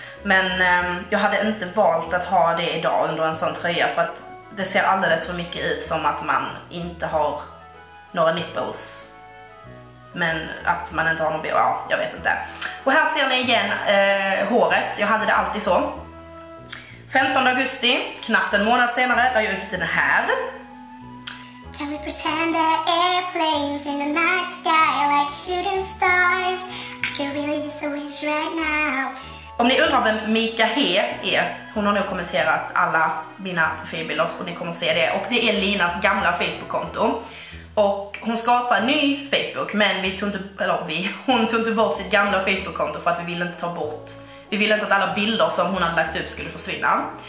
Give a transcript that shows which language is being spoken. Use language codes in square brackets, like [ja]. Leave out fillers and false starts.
[sv] Men jag hade inte valt att ha det idag under en sån tröja, för att det ser alldeles för mycket ut som att man inte har några nipples. Men att man inte har någon BH, ja, jag vet inte. Och här ser ni igen håret, jag hade det alltid så. 15 augusti, knappt en månad senare, la jag upp den här. [en] Can we pretend that airplanes in the night sky are like shooting stars? I can really use a wish right now. [sv] Om ni undrar vem Mika He är, hon har nog kommenterat alla mina profilbilder och ni kommer se det. Och det är Linas gamla Facebook-konto. Och hon skapade ny Facebook, men vi tog inte, eller vi, hon tog inte bort sitt gamla Facebook-konto, för att vi ville inte ta bort, vi ville inte att alla bilder som hon hade lagt upp skulle försvinna.